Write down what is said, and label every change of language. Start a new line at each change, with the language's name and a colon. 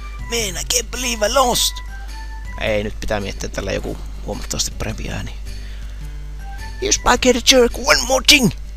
English: Man, I can't believe I lost!
Finnish: Ei, nyt pitää miettiä tällä joku huomattavasti parempi ääni.
English: Yes, I get a jerk, one more thing!